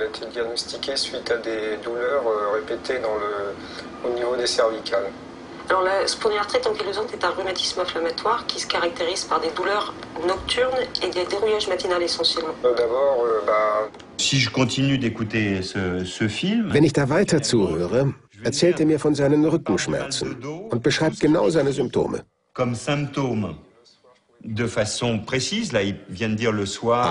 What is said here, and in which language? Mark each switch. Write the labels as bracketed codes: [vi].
[fr] Diagnostiqué suite à des douleurs répétées au niveau des cervicales. Alors la spondylarthrite ankylosante est un rhumatisme inflammatoire qui se caractérise par des douleurs nocturnes et des dérouillages matinales essentiellement. Si je continue d'écouter ce film. [de] Wenn ich da weiter zuhöre, erzählt mir von seinen Rückenschmerzen und beschreibt genau seine Symptome. [fr] Comme symptômes. De façon précise, là, il vient de dire le soir.